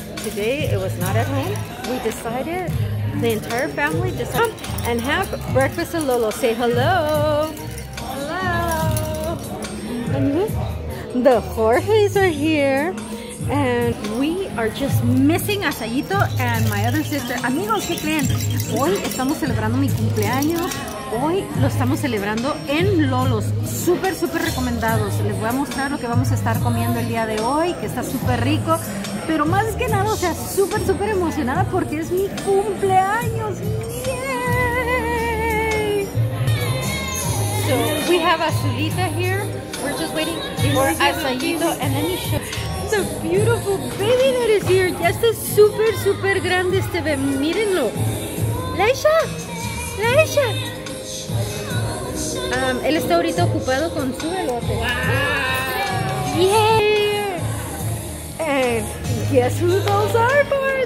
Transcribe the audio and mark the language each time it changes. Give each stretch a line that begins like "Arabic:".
English: Today it was not at home. We decided, the entire family, to come and have breakfast at LoLo's. Say hello. Hello. And the Jorges are here. And we are just missing a Sayito and my other sister.
Spanish: Amigos, ¿qué creen? Hoy estamos celebrando mi cumpleaños. Hoy lo estamos celebrando en LoLo's. Súper, súper recomendados. Les voy a mostrar lo que vamos a estar comiendo el día de hoy, que está súper rico. Pero más que nada, o sea, súper, súper emocionada porque es mi cumpleaños. ¡Yay!
English: So, we have a Sayito here. We're just waiting for a Sayito and then you should... The beautiful baby that is here.
Spanish: Ya está súper, súper grande este bebé. Mírenlo. Laisha. Laisha. Él está ahorita ocupado con su elote.
English: Wow. Yeah. And guess who those are for?